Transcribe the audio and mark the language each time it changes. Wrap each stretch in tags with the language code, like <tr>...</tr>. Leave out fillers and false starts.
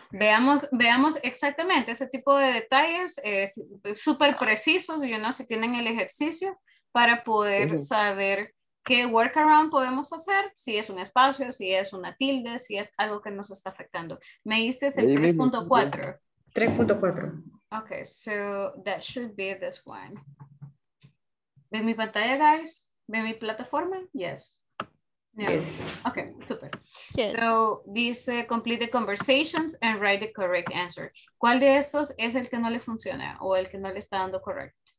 <es>Veamos exactamente ese tipo de detalles, súper precisos, yo no sé, tienen el ejercicio para poder saber qué workaround podemos hacer, si es un espacio, si es una tilde, si es algo que nos está afectando. Me dices el 3.4. 3.4.</es> <en>Okay, so that should be this one.</en> <es>¿Ve mi pantalla, guys? ¿Ve mi plataforma? Yes.</es> <en>Yes. Okay, super. Yes. So, dice, complete the conversations and write the correct answer.</en> <es>¿Cuál de estos es el que no le funciona o el que no le está dando correct?</es>